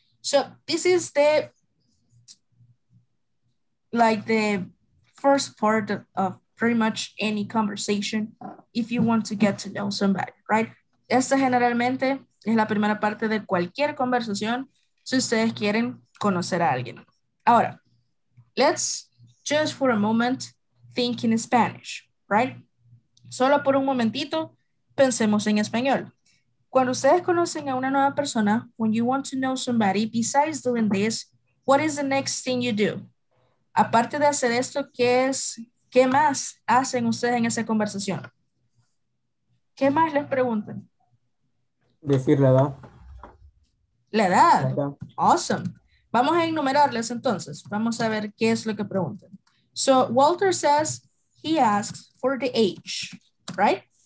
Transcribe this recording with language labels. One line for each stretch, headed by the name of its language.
English: So this is the, like the first part of pretty much any conversation if you want to get to know somebody, right?
Spanish: Esta generalmente es la primera parte de cualquier conversación si ustedes quieren conocer a alguien.
English: Ahora, let's just for a moment think in Spanish, right?
Spanish: Solo por un momentito pensemos en español. Cuando ustedes conocen a una nueva persona,
English: when you want to know somebody, besides doing this, what is the next thing you do?
Spanish: Aparte de hacer esto, ¿qué más hacen ustedes en esa conversación? ¿Qué más les preguntan? Decir la edad. ¿La edad? Awesome. Vamos a enumerarles entonces. Vamos a ver qué es lo que preguntan.
English: So, Walter says he asks for the age, right?